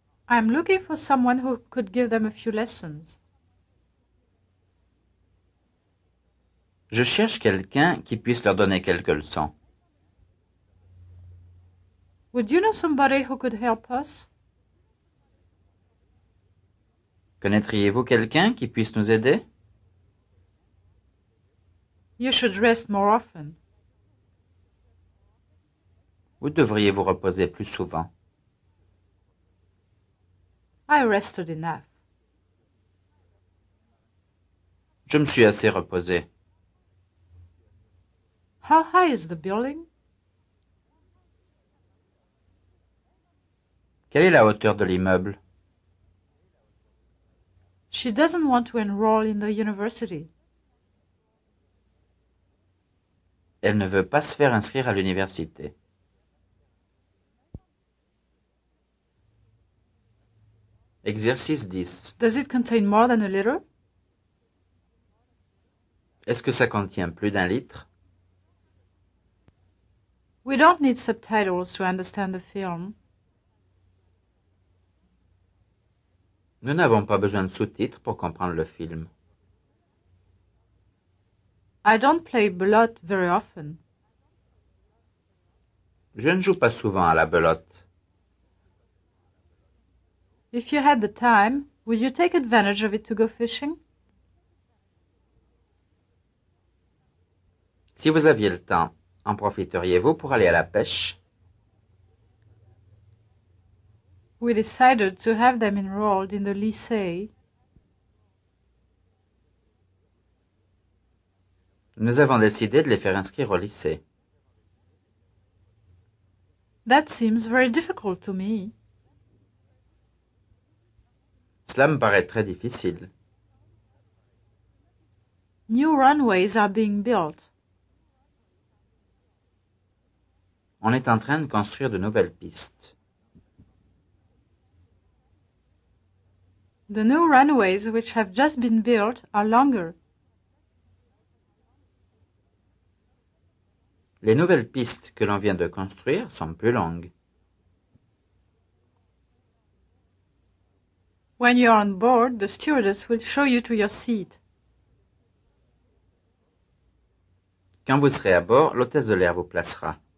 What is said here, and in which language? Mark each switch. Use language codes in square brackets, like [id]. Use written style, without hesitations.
[en] I'm looking for someone who could give them a few lessons. [fr] Je cherche quelqu'un qui puisse leur donner quelques leçons. [en] Would you know somebody who could help us? [fr] Connaîtriez-vous quelqu'un qui puisse nous aider? [en] You should rest more often. [fr] Vous devriez vous reposer plus souvent. [en] I rested enough. [fr] Je me suis assez reposé. [en] How high is the building? [fr] Quelle est la hauteur de l'immeuble? [en] She doesn't want to enroll in the university. [fr] Elle ne veut pas se faire inscrire à l'université. Exercice 10. [en] Does it contain more than a liter? [fr] Est-ce que ça contient plus d'un litre? [en] We don't need subtitles to understand the film. [fr] Nous n'avons pas besoin de sous-titres pour comprendre le film. [en] I don't play belote very often. [fr] Je ne joue pas souvent à la belote. [en] If you had the time, would you take advantage of it to go fishing? [fr] Si vous aviez le temps, en profiteriez-vous pour aller à la pêche? [en] We decided to have them enrolled in the lycée. [fr] Nous avons décidé de les faire inscrire au lycée. [en] That seems very difficult to me. [fr] Cela me paraît très difficile. [en] New runways are being built. [fr] On est en train de construire de nouvelles pistes. [en] The new runways which have just been built are longer. [fr] Les nouvelles pistes que l'on vient de construire sont plus longues. [en] When you are on board, the stewardess will show you to your seat. [fr] Quand vous serez à bord, l'hôtesse de l'air vous placera.